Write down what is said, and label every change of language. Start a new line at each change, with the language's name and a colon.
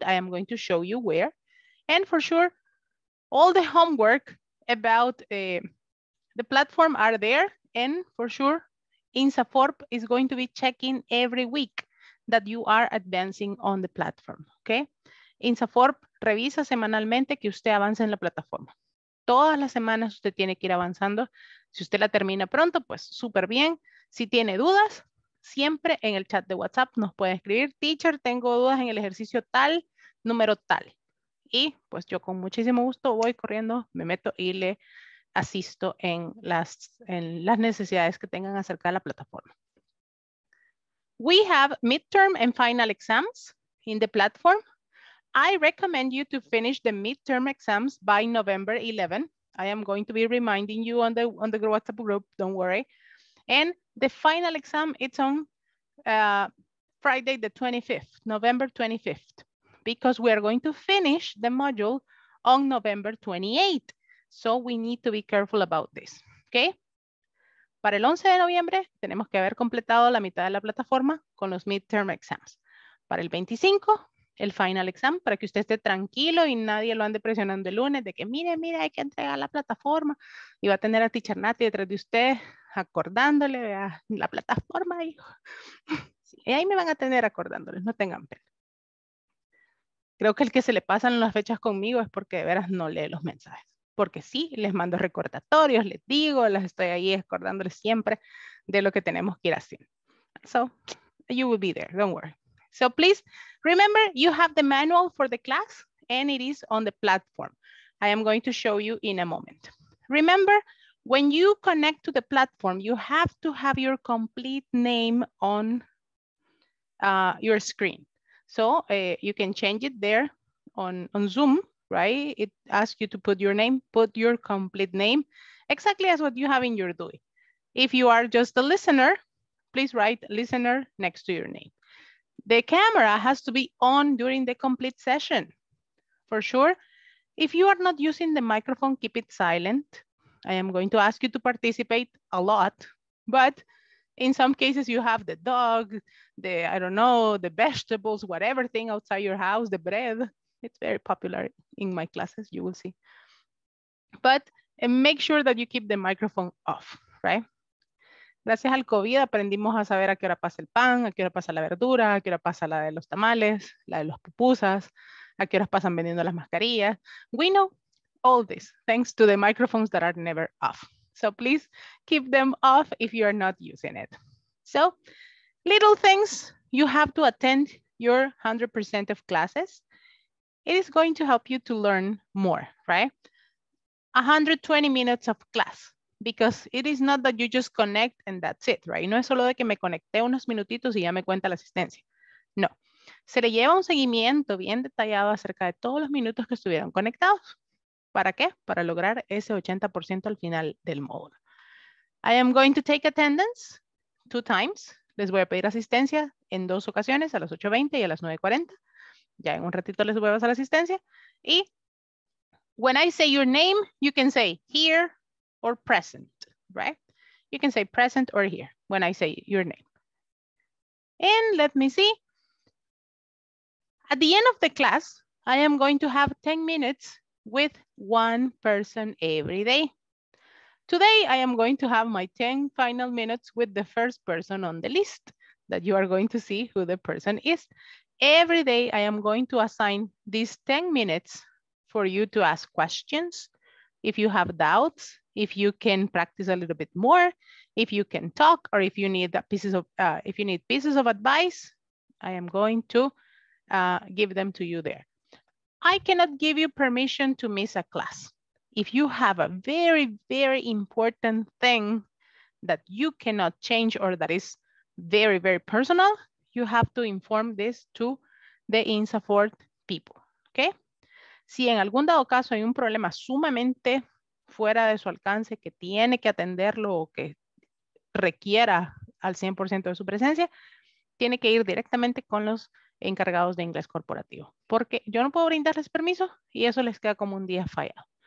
English: I am going to show you where. And for sure, all the homework about the platform are there. And for sure, INSAFORP is going to be checking every week that you are advancing on the platform, okay?
Spanish: INSAFORP revisa semanalmente que usted avance en la plataforma. Todas las semanas usted tiene que ir avanzando. Si usted la termina pronto, pues súper bien. Si tiene dudas, siempre en el chat de WhatsApp nos puede escribir, teacher, tengo dudas en el ejercicio tal, número tal. Y pues yo con muchísimo gusto voy corriendo, me meto y le asisto en las necesidades que tengan acerca de la plataforma.
English: We have midterm and final exams in the platform. I recommend you to finish the midterm exams by November 11. I am going to be reminding you on the WhatsApp group, don't worry. And the final exam, it's on Friday the 25th, November 25th, because we are going to finish the module on November 28th. So we need to be careful about this, okay?
Spanish: Para el 11 de noviembre, tenemos que haber completado la mitad de la plataforma con los midterm exams. Para el 25, el final exam, para que usted esté tranquilo y nadie lo ande presionando el lunes de que mire, hay que entregar la plataforma y va a tener a teacher Nati detrás de usted acordándole a la plataforma, hijo. Sí, y ahí me van a tener acordándoles, no tengan pena. Creo que el que se le pasan las fechas conmigo es porque de veras no lee los mensajes, porque sí, les mando recordatorios, les digo, las estoy ahí acordándoles siempre de lo que tenemos que ir haciendo.
English: So, you will be there, don't worry. So please remember, you have the manual for the class and it is on the platform. I am going to show you in a moment. Remember, when you connect to the platform, you have to have your complete name on your screen. So you can change it there on Zoom, right? It asks you to put your name, put your complete name, exactly as what you have in your DUI. If you are just a listener, please write listener next to your name. The camera has to be on during the complete session, for sure. If you are not using the microphone, keep it silent. I am going to ask you to participate a lot, but in some cases you have the dog, the, I don't know, the vegetables, whatever thing outside your house, the bread. It's very popular in my classes, you will see. But make sure that you keep the microphone off, right?
Spanish: Gracias al COVID aprendimos a saber a qué hora pasa el pan, a qué hora pasa la verdura, a qué hora pasa la de los tamales, la de los pupusas, a qué horas pasan vendiendo las mascarillas.
English: We know all this thanks to the microphones that are never off. So please keep them off if you are not using it. So little things, you have to attend your 100% of classes. It is going to help you to learn more, right? 120 minutes of class. Because it is not that you just connect and that's it, right?
Spanish: No es solo de que me conecté unos minutitos y ya me cuenta la asistencia. No. Se le lleva un seguimiento bien detallado acerca de todos los minutos que estuvieron conectados. ¿Para qué? Para lograr ese 80% al final del módulo.
English: I am going to take attendance 2 times.
Spanish: Les voy a pedir asistencia en 2 ocasiones, a las 8:20 y a las 9:40. Ya en un ratito les voy a pasar asistencia.
English: Y when I say your name, you can say here, or present, right? You can say present or here when I say your name. And let me see. At the end of the class, I am going to have 10 minutes with one person every day. Today, I am going to have my 10 final minutes with the first person on the list that you are going to see who the person is. Every day, I am going to assign these 10 minutes for you to ask questions. If you have doubts, if you can practice a little bit more, if you can talk, or if you need pieces of advice, I am going to give them to you there. I cannot give you permission to miss a class. If you have a very, very important thing that you cannot change or that is very, very personal, you have to inform this to the INSAFORP people, okay?
Spanish: Si en algún dado caso hay un problema sumamente fuera de su alcance que tiene que atenderlo o que requiera al 100% de su presencia, tiene que ir directamente con los encargados de inglés corporativo. Porque yo no puedo brindarles permiso y eso les queda como un día fallado.